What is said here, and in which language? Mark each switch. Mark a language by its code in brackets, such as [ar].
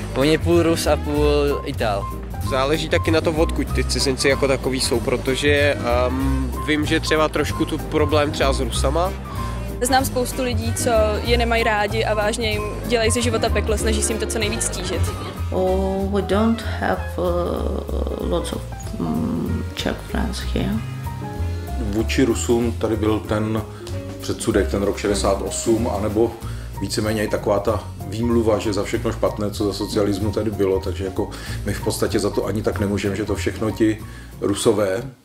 [cs] On je půl Rus a půl Ital. Záleží taky na to, odkud ty cizinci jako takový jsou, protože vím, že třeba trošku tu problém třeba s Rusama. Znám spoustu lidí, co je nemají rádi a vážně jim dělají ze života peklo, snaží se jim to co nejvíc stížit. [en] Oh, we don't have lots of Czech friends here. [cs] Vůči Rusům tady byl ten předsudek, ten rok 68, anebo víceméně i taková ta výmluva, že za všechno špatné, co za socialismu tady bylo, takže jako my v podstatě za to ani tak nemůžeme, že to všechno ti Rusové.